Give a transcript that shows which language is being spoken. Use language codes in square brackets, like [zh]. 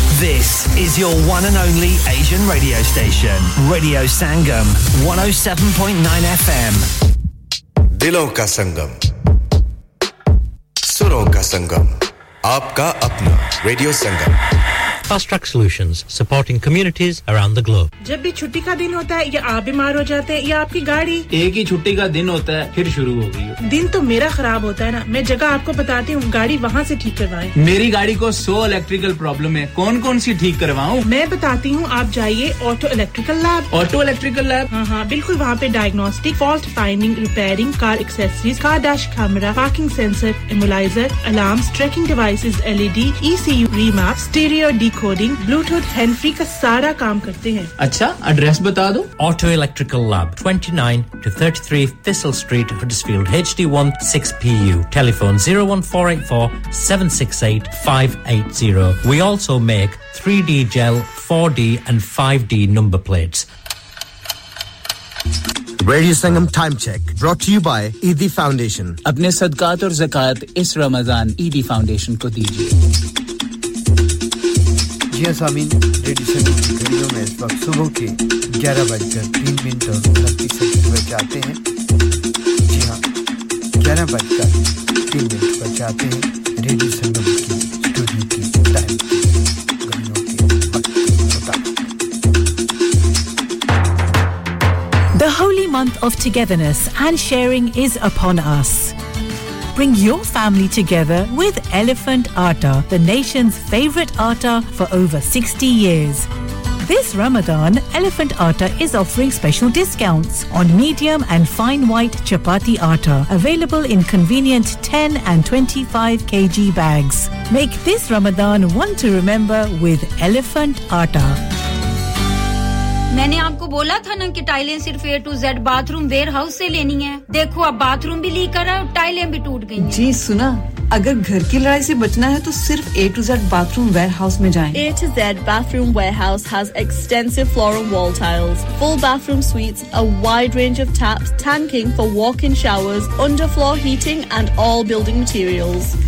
[en] This is your one and only Asian radio station. Radio Sangam, 107.9 FM. [hi] Dilon ka Sangam. Suron ka Sangam. Aapka apna Radio Sangam. [en] Fast Track Solutions, supporting communities around the globe. [hi] जब भी छुट्टी का दिन होता है या आप बीमार हो जाते हैं या आपकी गाड़ी एक ही छुट्टी का दिन होता है फिर शुरू हो गई दिन तो मेरा खराब होता है ना मैं जगह आपको बताती हूँ गाड़ी वहाँ से ठीक करवाएं मेरी गाड़ी को 100 इलेक्ट्रिकल प्रॉब्लम है कौन-कौन सी ठीक करवाऊं मैं बताती हूँ आप जाइए ऑटो इलेक्ट्रिकल लैब हां बिल्कुल वहां पे diagnostic fault finding repairing car accessories car dash camera parking sensor immobiliser alarms trekking devices LED ECU remap stereo coding Bluetooth hands-free का सारा काम करते हैं अच्छा एड्रेस बता दो auto electrical lab 29 to 33 thistle street Huddersfield एचडी1 6पीयू telephone 01484 768 580 [en] We also make 3D gel 4D and 5D number plates Radio Sangam Time Check, brought to you by Eidi Foundation. [hi] अपने सदकात और ज़कात इस रमजान Eidi Foundation को दीजिए. Yes, Sami, Radio Sangam ki ghadiyon mein is waqt subah ke 11 bajkar 3 minute aur 30 second par chalte hain. Ji haan, 11 bajkar 3 minute par chalte hain Radio Sangam ki studio ki time. [en] The holy month of togetherness and sharing is upon us. Bring your family together with Elephant Atta, the nation's favorite atta for over 60 years. This Ramadan, Elephant Atta is offering special discounts on medium and fine white chapati atta, available in convenient 10 and 25 kg bags. Make this Ramadan one to remember with Elephant Atta. [hi] मैंने आपको बोला था ना कि टाइलें सिर्फ A to Z bathroom warehouse से लेनी है देखो अब बाथरूम भी लीक कर रहा है और टाइलें भी टूट गई जी सुना अगर घर की लड़ाई से बचना है तो सिर्फ A to Z bathroom warehouse में जाएं [en] A to Z bathroom warehouse has extensive floor and wall tiles full bathroom suites a wide range of taps tanking for walk in showers underfloor heating and all building materials